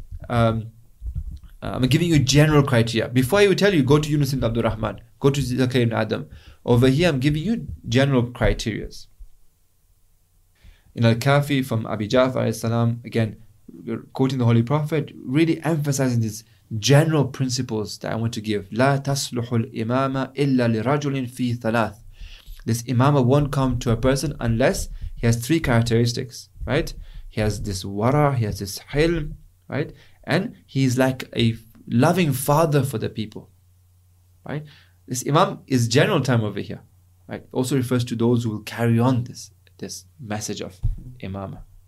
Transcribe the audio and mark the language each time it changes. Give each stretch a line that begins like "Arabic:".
English: I'm giving you general criteria. Before I would tell you, go to Yunus ibn Abdul Rahman. Go to Zakir ibn Adam. Over here, I'm giving you general criteria. In Al-Kafi from Abi Ja'far, again, quoting the Holy Prophet, really emphasizing this general principles that I want to give.
Arabic: لا تصلح الإمام إلا لرجل في ثلاث.
English: This imama won't come to a person unless he has three characteristics, right? He has this wara, he has this hilm, right? And he's like a loving father for the people, right? This imam is general term over here, right? Also refers to those who will carry on this message of imama.